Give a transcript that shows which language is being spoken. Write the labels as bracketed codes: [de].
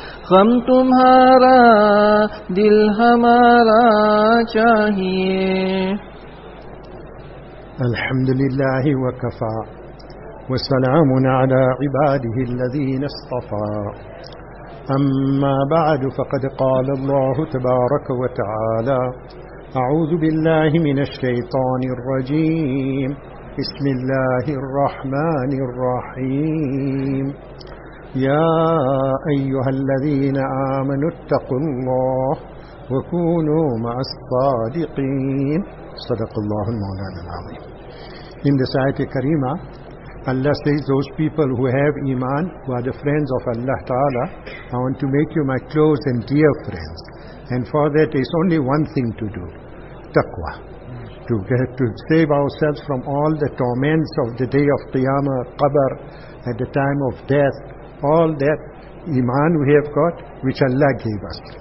[ur] غم تمہارا دل ہمارا چاہیے. [ar] الحمد للہ وکفا وسلام على عباده الذين اصطفى. أما بعد فقد قال الله تبارك وتعالى أعوذ بالله من الشيطان الرجيم بسم الله الرحمن الرحيم يا أيها الذين آمنوا اتقوا الله وكونوا مع الصادقين صدق الله المولانا العظيم. [en] In this ayat kareema Allah says, those people who have Iman, who are the friends of Allah Ta'ala, I want to make you my close and dear friends. And for that, there is only one thing to do, taqwa. To save ourselves from all the torments of the day of Qiyamah, Qabr, at the time of death, all that Iman we have got, which Allah gave us.